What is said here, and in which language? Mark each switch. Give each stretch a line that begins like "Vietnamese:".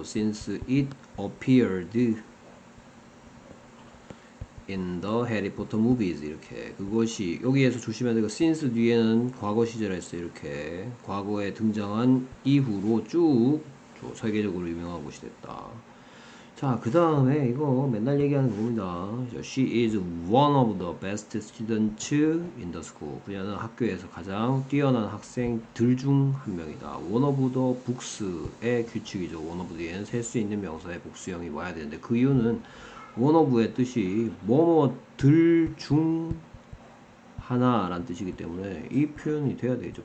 English: Since it appeared in the Harry Potter movies
Korean: 이렇게 그것이 여기에서 조심해야 되고 since 뒤에는 과거 시제라 했어 이렇게 과거에 등장한 이후로 쭉 세계적으로 유명한 곳이 됐다. 자, 그 다음에 이거 맨날 얘기하는 겁니다.
English: She is one of the best students in the school.
Korean: 그녀는 학교에서 가장 뛰어난 학생들 중한 명이다. One of the books의 규칙이죠. One of the는 셀수 있는 명사의 복수형이 와야 되는데 그 이유는 one of의 뜻이 뭐뭐들 중 하나란 뜻이기 때문에 이 표현이 돼야 되죠.